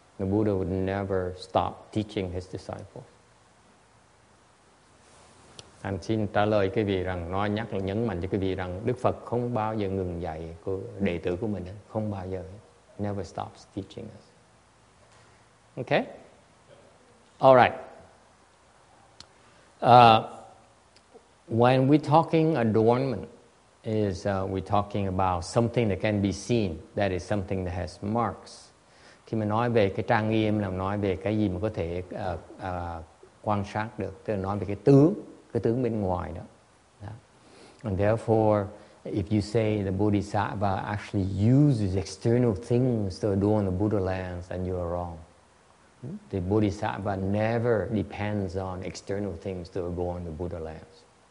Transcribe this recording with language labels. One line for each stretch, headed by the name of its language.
English: The Buddha would never stop teaching his disciples.
Vietnamese: Anh xin trả lời quý vị rằng, nói nhắc là nhấn mạnh cho quý vị rằng Đức Phật không bao giờ ngừng dạy của đệ tử của mình. Không bao giờ.
English: Never stops teaching us. Okay. All right. When we're talking adornment, is we're talking about something that can be seen. That is something that has marks.
Vietnamese: Khi mà nói về cái trang nghiêm là nói về cái gì mà có thể quan sát được. Tức là nói về cái tướng bên ngoài đó.
English: Yeah. And therefore, if you say the Bodhisattva actually uses external things to adorn the Buddha lands, then you are wrong. The Bodhisattva never depends on external things to go on the Buddha lands.